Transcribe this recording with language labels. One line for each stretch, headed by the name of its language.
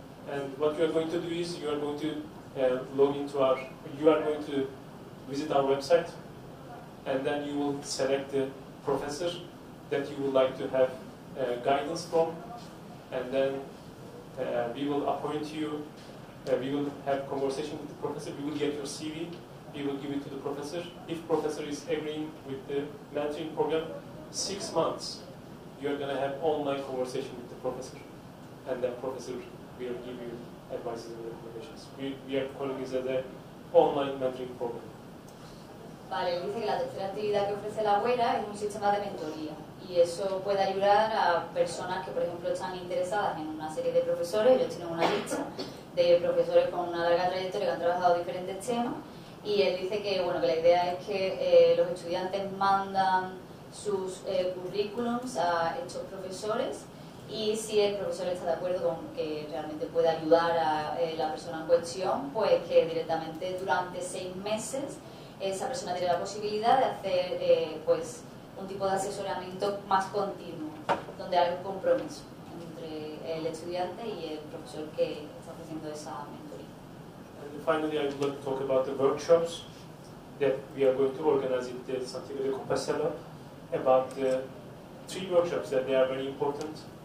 English: And what you are going to do is you are going to visit our website, and then you will select the professor that you would like to have guidance from, and then we will appoint you, we will have conversation with the professor, we will get your CV, we will give it to the professor. If professor is agreeing with the mentoring program, 6 months, you are going to have online conversation with the professor, and that professor will give you advices and recommendations. We are calling this as an online mentoring program.
Spanish: Vale, dice que la tercera actividad que ofrece la abuela es un sistema de mentoría. Y eso puede ayudar a personas que, por ejemplo, están interesadas en una serie de profesores. Ellos tienen una lista de profesores con una larga trayectoria que han trabajado diferentes temas. Y él dice que, bueno, que la idea es que los estudiantes mandan sus currículums a estos profesores y si el profesor está de acuerdo con que realmente pueda ayudar a la persona en cuestión, pues que directamente durante 6 meses esa persona tiene la posibilidad de hacer, pues, un tipo de asesoramiento más continuo, donde hay un compromiso entre el estudiante y el profesor que está ofreciendo esa mentoría.
English: And finally, I would like to talk about the workshops that we are going to organize in the Santiago de Compostela, about the three workshops that they are very important.